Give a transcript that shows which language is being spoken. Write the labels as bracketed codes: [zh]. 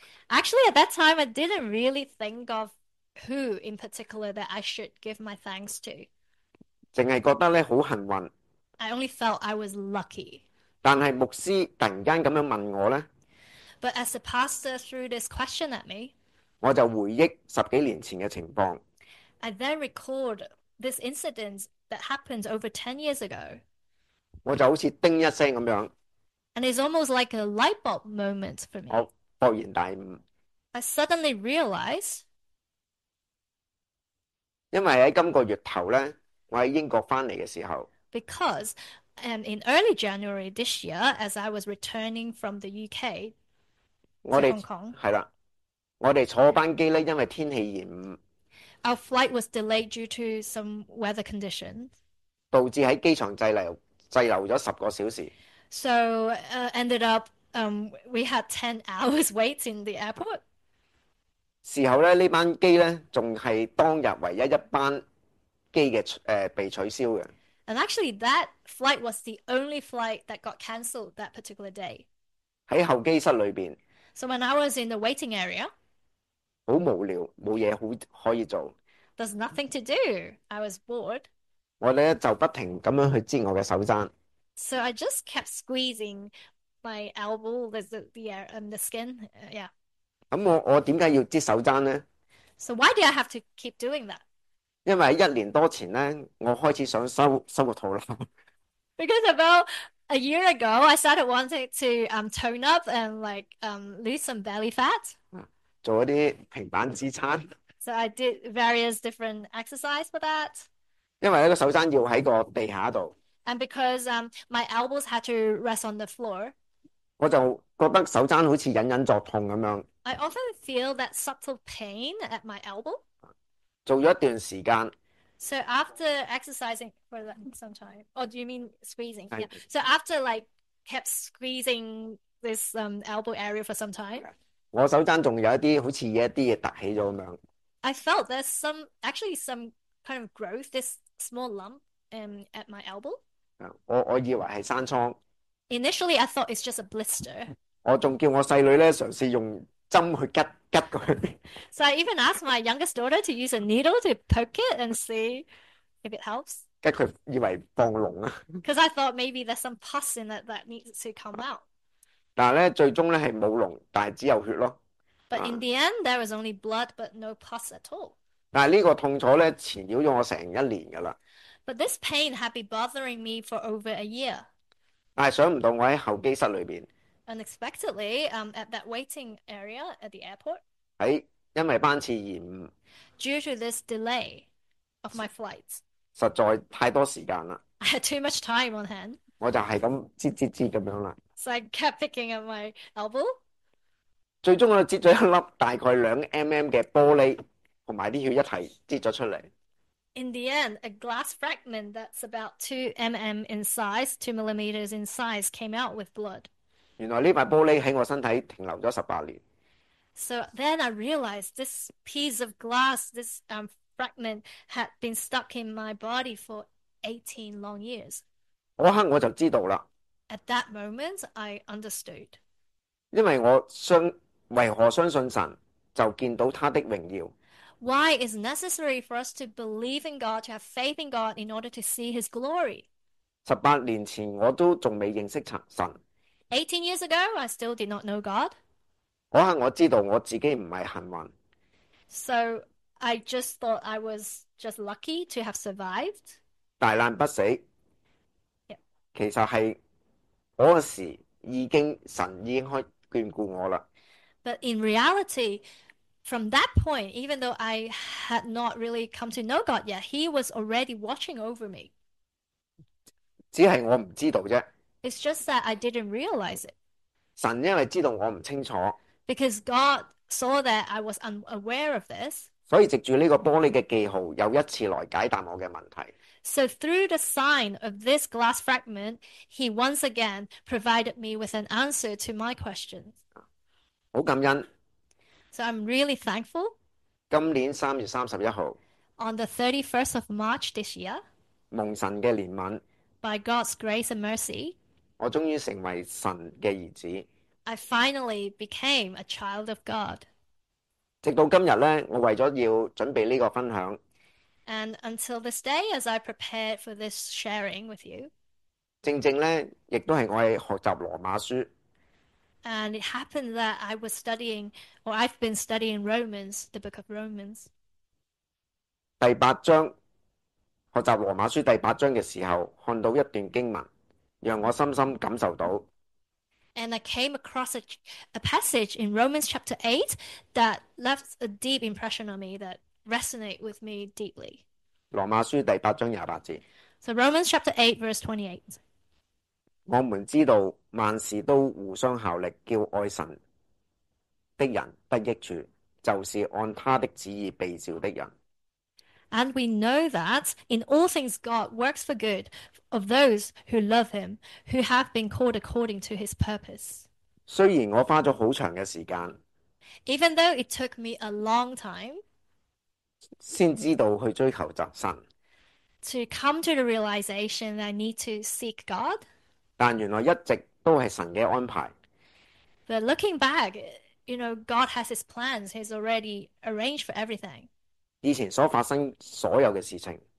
[en] Actually, at that time, I didn't really think of who in particular that I should give my thanks to. [yue] 净系觉得咧好幸运， [en] I only felt I was lucky. [yue] 但系牧师突然间咁样问我咧， [en] But as the pastor threw this question at me, [yue] 我就回忆10几年前嘅情况。 [en] I then recalled this incident that happened over 10 years ago. [yue] 我就好似叮一声咁样， [en] And it's almost like a light bulb moment for me. [yue] 我勃然大悟。 [en] I suddenly realized. [yue] 因为喺今个月头咧。我喺英国翻嚟嘅时候， [en] Because in early January this year, as I was returning from the UK [yue] 我 [en] to [yue] 哋 [en] Hong Kong, [yue] 系啦，我哋坐班机咧，因为天气延误， [en] our flight was delayed due to some weather conditions. [yue] 导致喺机场滞留咗10个小时。 [en] So ended up we had 10 hours wait in the airport. [yue] 事后咧，呢班机咧，仲系当日唯一一班。机嘅被取消嘅， [en] And actually, that flight was the only flight that got cancelled that particular day. [yue] 喺候机室里边， [en] So when I was in the waiting area, [yue] 好无聊，冇嘢好可以做， [en] there's nothing to do. I was bored. [yue] 我咧就不停咁样去煎我嘅手踭。 [en] So I just kept squeezing my elbow, the skin. Yeah. [yue] 咁我点解要接手踭呢？ [en] So why do I have to keep doing that? [yue] 因为1年多前咧，我开始想收个肚腩。 [en] Because about a year ago, I started wanting to tone up and lose some belly fat. [yue] 做一啲平板支撑， [en] So I did various different exercise for that. [yue] 因为呢个手踭要喺个地下度， [en] And because my elbows had to rest on the floor, [yue] 我就觉得手踭好似隐隐作痛咁样。 [en] I often feel that subtle pain at my elbow. [yue] 做咗一段时间， [en] So after exercising for some time, or do you mean squeezing? Yeah. So after like kept squeezing this elbow area for some time, [yue] 我手踭仲有一啲好似一啲嘢凸起咗咁样。 [en] I felt there's some actually some kind of growth, this small lump at my elbow. [yue] 我以为系生疮， [en] Initially, I thought it's just a blister. [yue] 我仲叫我细女咧尝试用针去吉吉佢。 [en] So I even asked my youngest daughter to use a needle to poke it and see if it helps. [yue] 跟佢以為放龍啊！ [en] Because I thought maybe there's some pus in it that needs to come out. [yue] 但系咧，最終咧係冇龍，但係只有血咯。 [en] But in 啊！ the end, there was only blood but no pus at all. [yue] 但係呢個痛楚咧，纏繞咗我成一年噶啦。 [en] But this pain had been bothering me for over a year. [yue] 但係想唔到我喺候機室裏邊， [en] Unexpectedly, at that waiting area at the airport, [yue] 喺因為班次延誤。 [en] due to this delay of my flight, [yue] 实在太多时间啦， [en] I had too much time on hand. [yue] 我就系咁折折折咁样啦。 [en] So I kept picking at my elbow. [yue] 最终我折咗一粒大概2 mm 嘅玻璃，同埋啲血一齐折咗出嚟。 [en] In the end, a glass fragment that's about 2 mm in size, 2 mm in size, came out with blood. [yue] 原来呢块玻璃喺我身体停留咗18年。 [en] So then I realized this piece of glass, this fragment, had been stuck in my body for 18 long years. [yue] 嗰刻我就知道啦， [en] At that moment, I understood. [yue] 因为我相为何相信神，就见到他的荣耀。 [en] Why is necessary for us to believe in God, to have faith in God in order to see His glory? [yue] 18年前我都仲未认识神，嗰 [en] 18 years ago, I still did not know God. [yue] 刻我知道我自己唔系幸运。 [en] So I just thought I was just lucky to have survived. [yue] 大难不死。其实系嗰时已经神已经开眷顾我啦。 [en] But in reality, from that point, even though I had not really come to know God yet, He was already watching over me. [yue] 只系我唔知道啫。 [en] It's just that I didn't realize it. [yue] 神因为知道我唔清楚， [en] Because God saw that I was unaware of this. [yue] 所以藉住呢个玻璃嘅记号，又一次来解答我嘅问题。 [en] So through the sign of this glass fragment, he once again provided me with an answer to my questions. [yue] 好感恩。 [en] So I'm really thankful. [yue] 今年3月31号， [en] On the 31st of March this year, [yue] 蒙神嘅怜悯， [en] by God's grace and mercy, [yue] 我终于成为神嘅儿子。 [en] I finally became a child of God. [yue] 直到今日咧，我为咗要准备呢个分享， [en] And until this day, as I prepared for this sharing with you, [yue] 正正咧，亦都系我系学习罗马书。 [en] and it happened that I was studying, or I've been studying Romans, the book of Romans. [yue] 第八章，学习罗马书第八章嘅时候，看到一段经文，让我深深感受到。 [en] And I came across a passage in Romans chapter 8 that left a deep impression on me, that resonate with me deeply. [yue] 罗马书第八章28节， [en] So Romans chapter 8, verse 28. [yue] 我们知道万事都互相效力，叫爱神的人得益处，就是按他的旨意被召的人。 [en] And we know that in all things God works for good of those who love him, who have been called according to his purpose. [yue] 虽然我花咗好长嘅时间， [en] Even though it took me a long time [yue] 先知道去追求神， [en] to come to the realization that I need to seek God, [yue] 但原来一直都系神嘅安排。 [en] but looking back, God has his plans, he's already arranged for everything. [yue] 以前所发生所有嘅事情，